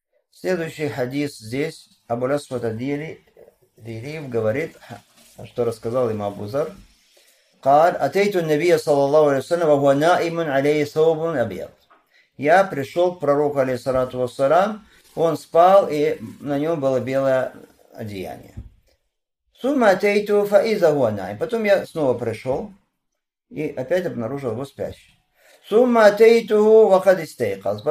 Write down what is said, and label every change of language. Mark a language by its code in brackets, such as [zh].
[ru] Следующий хадис здесь, Абу Ляс-Суд ад-Дилив говорит, что рассказал ему Абу Зар. [ar] قال, أتيتُ النبي صلى الله عليه وسلم وهو نائم عليه ثوب أبيض. [ru] Я пришел к пророку, алейхиссалату вассалям, он спал, и на нем было белое одеяние. [ar] ثم أتيتُ فإذا هو نائم. [ru] Потом я снова пришел, и опять обнаружил его спящим. [ar] ثم أتيتُ وقد استيقظ.